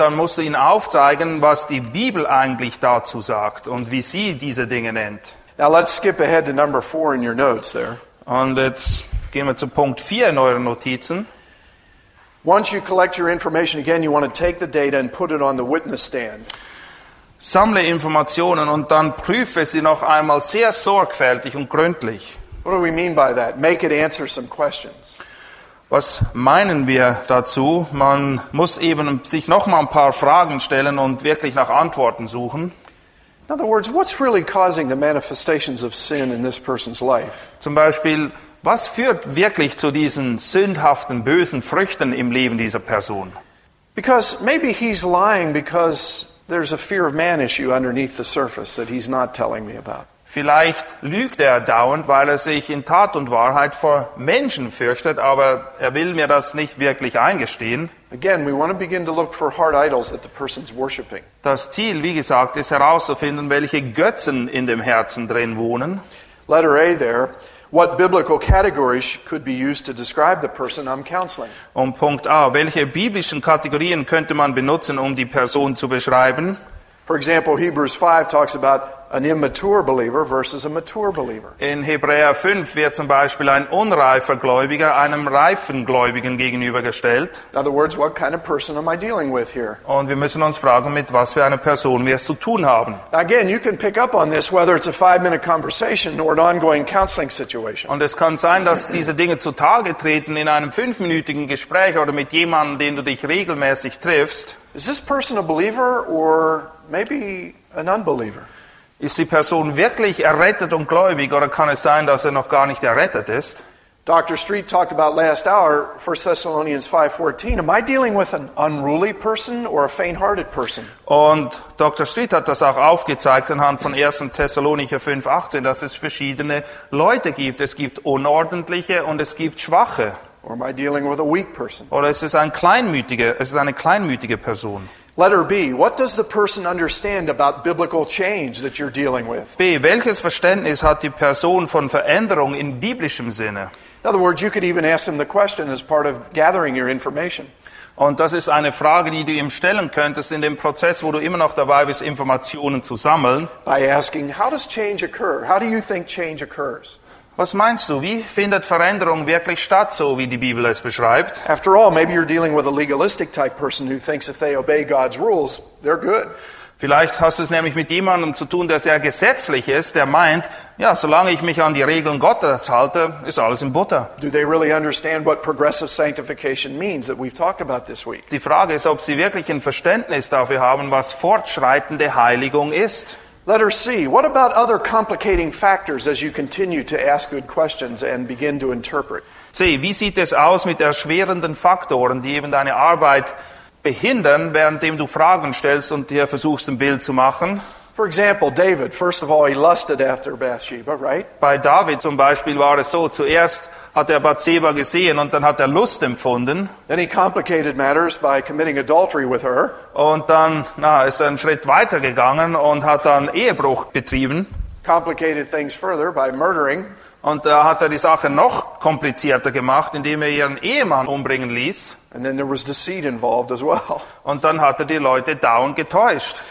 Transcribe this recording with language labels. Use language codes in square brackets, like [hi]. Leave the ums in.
[de] dann musst du ihnen aufzeigen, was die Bibel eigentlich dazu sagt und wie sie diese Dinge nennt. [en] Now let's skip ahead to number four in your notes there. [de] Und jetzt gehen wir zu Punkt 4 in euren Notizen. [en] Once you collect your information again, you want to take the data and put it on the witness stand. [de] Sammle Informationen und dann prüfe sie noch einmal sehr sorgfältig und gründlich. [en] What do we mean by that? Make it answer some questions. [de] Was meinen wir dazu? Man muss eben sich noch mal ein paar Fragen stellen und wirklich nach Antworten suchen. [en] In other words, what's really causing the manifestations of sin in this person's life? [de] Zum Beispiel, was führt wirklich zu diesen sündhaften bösen Früchten im Leben dieser Person? [en] Because maybe he's lying because there's a fear of man issue underneath the surface that he's not telling me about. [de] Vielleicht lügt er dauernd, weil er sich in Tat und Wahrheit vor Menschen fürchtet, aber er will mir das nicht wirklich eingestehen. Das Ziel, wie gesagt, ist herauszufinden, welche Götzen in dem Herzen drin wohnen. [en] Letter A there. What biblical categories could be used to describe the person I'm counseling? [de] Und Punkt A, welche biblischen Kategorien könnte man benutzen, um die Person zu beschreiben? [en] For example, Hebrews 5 talks about an immature believer versus a mature believer. [de] In Hebräer 5 [en] we're, for example, [de] an unreifer Gläubiger einem reifen Gläubigen gegenübergestellt. [en] In other words, what kind of person am I dealing with here? And we must ask ourselves what kind of Person we have to tun with. Again, you can pick up on this whether it's a five-minute conversation or an ongoing counseling situation. [de] Und es kann sein, dass diese Dinge zutage treten in einem fünfminütigen Gespräch oder mit jemandem, den du dich regelmäßig triffst. [en] Is this person a believer or maybe an unbeliever? [de] Ist die Person wirklich errettet und gläubig oder kann es sein, dass er noch gar nicht errettet ist? [en] Dr. Street talked about last hour, 1 Thessalonians 5:14. Am I dealing with an unruly person or a faint-hearted person? [de] Und Dr. Street hat das auch aufgezeigt anhand von 1. Thessalonicher 5:18, dass es verschiedene Leute gibt. Es gibt unordentliche und es gibt schwache. [en] Or am [de] Oder ist es ein kleinmütiger, es ist eine kleinmütige Person. [en] Letter B. What does the person understand about biblical change that you're dealing with? [de] B. Welches Verständnis hat die Person von Veränderung in biblischem Sinne? [en] In other words, you could even ask them the question as part of gathering your information. [de] Und das ist eine Frage, die du ihm stellen könntest in dem Prozess, wo du immer noch dabei bist, Informationen zu sammeln. [en] By asking, how does change occur? How do you think change occurs? [de] Was meinst du, wie findet Veränderung wirklich statt, so wie die Bibel es beschreibt? [en] After all, maybe you're dealing with a legalistic type person who thinks if they obey God's rules, they're good. [de] Vielleicht hast du es nämlich mit jemandem zu tun, der sehr gesetzlich ist, der meint, ja, solange ich mich an die Regeln Gottes halte, ist alles in Butter. [en] Do they really understand what progressive sanctification means that we've talked about this week? [de] Die Frage ist, ob sie wirklich ein Verständnis dafür haben, was fortschreitende Heiligung ist. [en] Letter C. What about other complicating factors as you continue to ask good questions and begin to interpret? [de] C. Wie sieht es aus mit erschwerenden Faktoren, die eben deine Arbeit behindern, währenddem du Fragen stellst und dir versuchst, ein Bild zu machen? [en] For example, David, first of all, he lusted after Bathsheba, right? [de] Bei David zum Beispiel war es so, zuerst hat er Bathsheba gesehen und dann hat er Lust empfunden. [en] Then he complicated matters by committing adultery with her. [de] Und dann na, ist er einen Schritt weiter gegangen und hat dann Ehebruch betrieben. [en] Complicated things further by murdering. [de] Und da hat er die Sache noch komplizierter gemacht, indem er ihren Ehemann umbringen ließ. [en] Well. [de] Und dann hat er die Leute [en] down [de] getäuscht.